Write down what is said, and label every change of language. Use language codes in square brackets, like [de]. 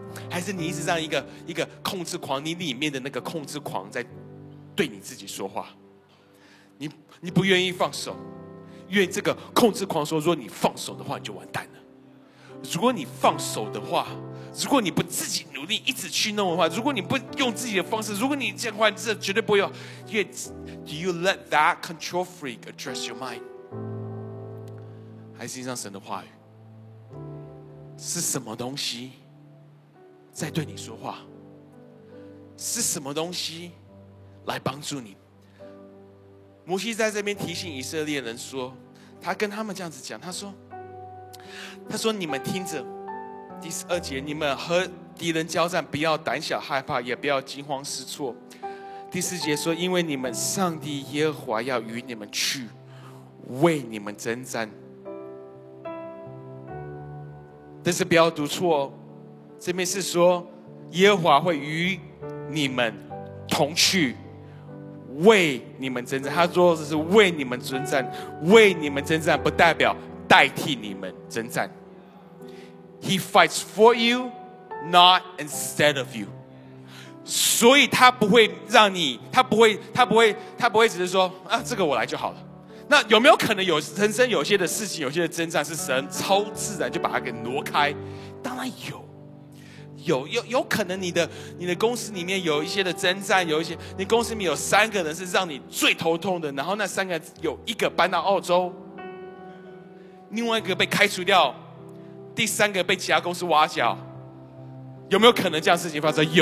[zh] 还是你一直让一个控制狂，你里面的那个控制狂在对你自己说话？你不愿意放手，因为这个控制狂说，如果你放手的话你就完蛋了。如果你放手的话，如果你不自己努力一直去弄的话，如果你不用自己的方式，如果你这样的话，这绝对不会有。因为 [en] Do you let that control freak address your mind? [zh] 还是让神的话语？是什么东西在对你说话？是什么东西来帮助你？摩西在这边提醒以色列人说，他跟他们这样子讲，他说你们听着，第十二节，你们和敌人交战，不要胆小害怕，也不要惊慌失措。第四节说，因为你们上帝耶和华要与你们去，为你们征战。但是不要读错，这边是说耶和华会与你们同去，为你们征战。他说的是为你们征战，为你们征战不代表代替你们征战。 [en] He fights for you, not instead of you. [zh] 所以他不会让你，他不会只是说啊，这个我来就好了。那有没有可能有人生有些的事情，有些的征战是神超自然就把它给挪开？当然有。有可能你的公司里面有一些的征战，有一些你公司里面有三个人是让你最头痛的，然后那三个有一个搬到澳洲，另外一个被开除掉，第三个被其他公司挖角，有没有可能这样事情发生？